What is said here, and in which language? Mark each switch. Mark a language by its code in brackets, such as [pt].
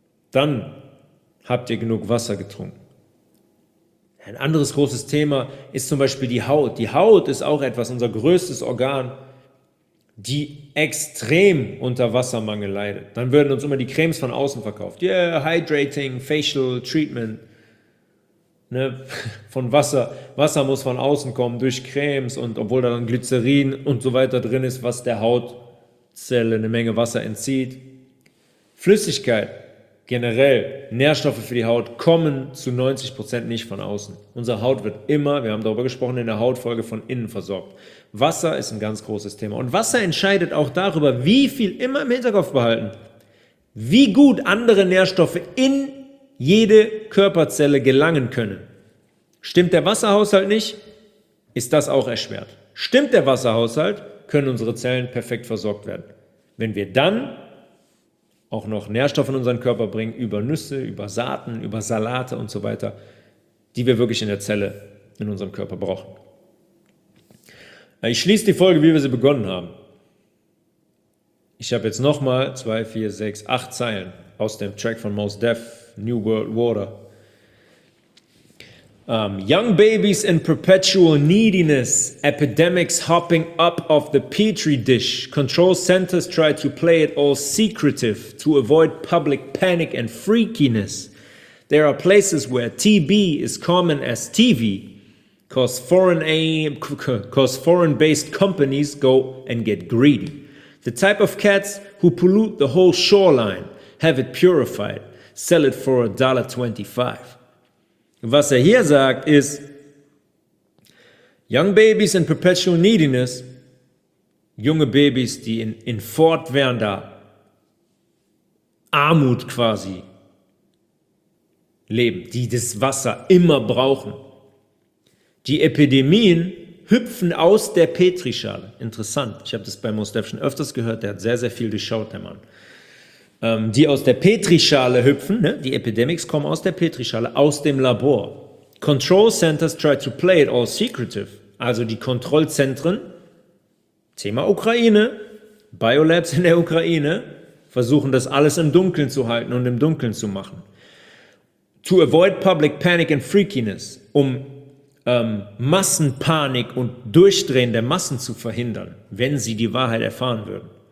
[de] Dann habt ihr genug Wasser getrunken. Ein anderes großes Thema ist zum Beispiel die Haut. Die Haut ist auch etwas, unser größtes Organ, die extrem unter Wassermangel leidet. Dann würden uns immer die Cremes von außen verkauft. [en] Yeah, hydrating, facial treatment. [de] Ne? Von Wasser. Wasser muss von außen kommen durch Cremes, und obwohl da dann Glycerin und so weiter drin ist, was der Hautzelle eine Menge Wasser entzieht. Flüssigkeit generell, Nährstoffe für die Haut kommen zu 90% nicht von außen. Unsere Haut wird immer, wir haben darüber gesprochen, in der Hautfolge von innen versorgt. Wasser ist ein ganz großes Thema. Und Wasser entscheidet auch darüber, wie viel, immer im Hinterkopf behalten, wie gut andere Nährstoffe in jede Körperzelle gelangen können. Stimmt der Wasserhaushalt nicht, ist das auch erschwert. Stimmt der Wasserhaushalt, können unsere Zellen perfekt versorgt werden. Wenn wir dann auch noch Nährstoffe in unseren Körper bringen, über Nüsse, über Saaten, über Salate und so weiter, die wir wirklich in der Zelle, in unserem Körper brauchen. Ich schließe die Folge, wie wir sie begonnen haben. Ich habe jetzt nochmal 2, 4, 6, 8 Zeilen aus dem Track von Mos Def, New World Water. [en] Young babies in perpetual neediness, epidemics hopping up of the petri dish. Control centers try to play it all secretive to avoid public panic and freakiness. There are places where TB is common as TV, cause foreign-based companies go and get greedy. The type of cats who pollute the whole shoreline, have it purified, sell it for $1.25. [de] Was er hier sagt, ist, [en] young babies in perpetual neediness, [de] junge Babys, die in fortwährender Armut quasi leben, die das Wasser immer brauchen. Die Epidemien hüpfen aus der Petrischale. Interessant, ich habe das bei Mos Def schon öfters gehört, der hat sehr, sehr viel geschaut, der Mann. Die aus der Petrischale hüpfen, ne? Die Epidemics kommen aus der Petrischale, aus dem Labor. [en] Control centers try to play it all secretive. [de] Also die Kontrollzentren, Thema Ukraine, Biolabs in der Ukraine, versuchen das alles im Dunkeln zu halten und im Dunkeln zu machen. [en] To avoid public panic and freakiness, [de] um Massenpanik und Durchdrehen der Massen zu verhindern, wenn sie die Wahrheit erfahren würden.